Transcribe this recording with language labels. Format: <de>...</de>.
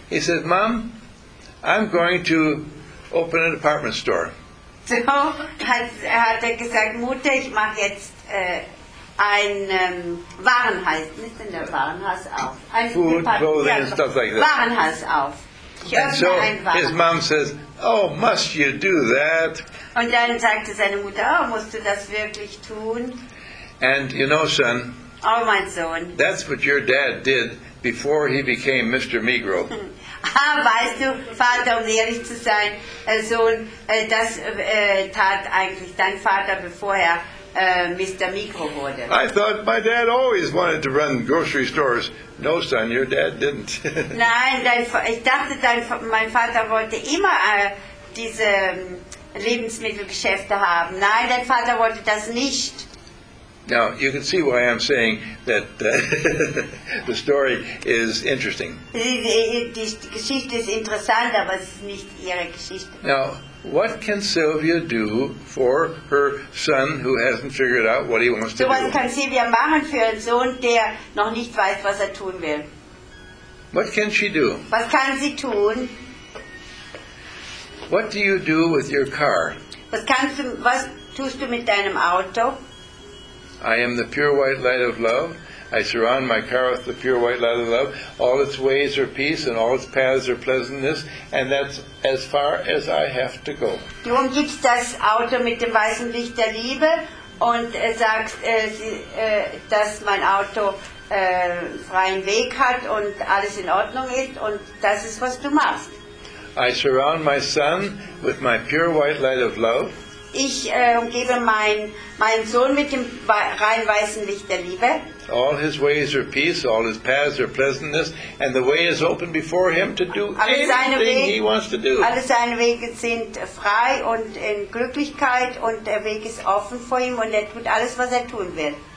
<en>He said, Mom, I'm going to open an department store.</en> <de>So hat er gesagt, Mutter, ich mache jetzt ein Warenhaus, nicht in der Warenhaus auf. Ein</de> <en>Food, clothing, and stuff like that.</en> <de>Warenhaus auf.</de> <en>And so his mom says, oh, must you do that?</en> <de>Und dann sagte seine Mutter, oh, musst du das wirklich tun?</de> <en>And you know, son,</en> <de>oh, mein Sohn,</de> <en>that's what your dad did before he became Mr. Migro.</en> <de>Ah, weißt du, Vater, um ehrlich zu sein, Sohn, das tat eigentlich dein Vater, bevor er Mr. Migro wurde.</de> <en>I thought my dad always wanted to run grocery stores. No, son, your dad didn't.</en> <de>Nein, mein Vater wollte immer diese Lebensmittelgeschäfte haben. Nein, dein Vater wollte das nicht.</de> <en>Now, you can see why I'm saying that the story is interesting.</en> <de>Die Geschichte ist interessant, aber es ist nicht ihre Geschichte.</de> <en>Now, what can Sylvia do for her son who hasn't figured out what he wants to do?</en> <de>So was kann Sylvia machen für ihren Sohn, der noch nicht weiß, was tun will?</de> <en>What can she do?</en> <de>Was kann sie tun?</de> <en>What do you do with your car?</en> <de>Was tust du mit deinem Auto?</de> <en>I am the pure white light of love. I surround my car with the pure white light of love. All its ways are peace and all its paths are pleasantness, and that's as far as I have to go.</en> <de>Du umgibst das Auto mit dem weißen Licht der Liebe und sagst, dass mein Auto freien Weg hat und alles in Ordnung ist, und das ist, was du machst.</de> <en>I surround my son with my pure white light of love.</en> <de>Ich umgebe meinen Sohn mit dem rein weißen Licht der Liebe.</de> <en>All his ways are peace, all his paths are pleasantness, and the way is open before him to do anything he wants to do.</en> <de>Alle seine Wege sind frei und in Glücklichkeit, und der Weg ist offen vor ihm, und er tut alles, was tun will.</de>